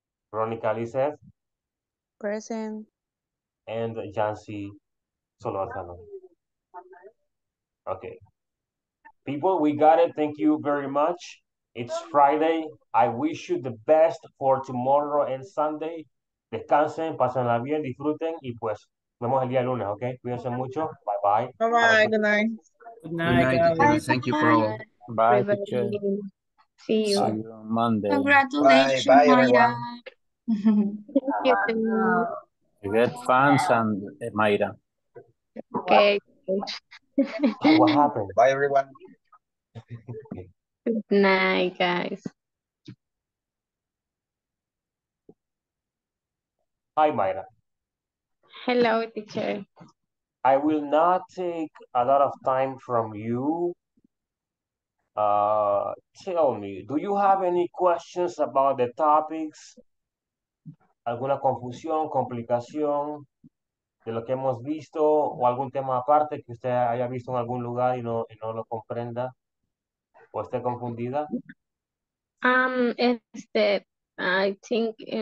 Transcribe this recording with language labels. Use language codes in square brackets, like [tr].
[en] Veronica Lizeth. Present. And Jancy Solorzano. Okay. People, we got it. Thank you very much. It's Friday. I wish you the best for tomorrow and Sunday. [es] Descansen, pásenla bien, disfruten y pues nos vemos el día lunes, ¿ok? Cuídense mucho. Bye bye. [en] Bye bye. Good night. Good night. Good night. Thank you for all. Bye, teacher. See you on Monday. Congratulations. Bye, bye everyone. Get fans and Mayra. Okay. What happened? Bye, everyone. Good night, guys. Hi, Mayra. Hello, teacher. I will not take a lot of time from you. Tell me, do you have any questions about the topics? [es] ¿Alguna confusión, complicación de lo que hemos visto? ¿O algún tema aparte que usted haya visto en algún lugar y no lo comprenda? ¿O esté confundida? [en] I think...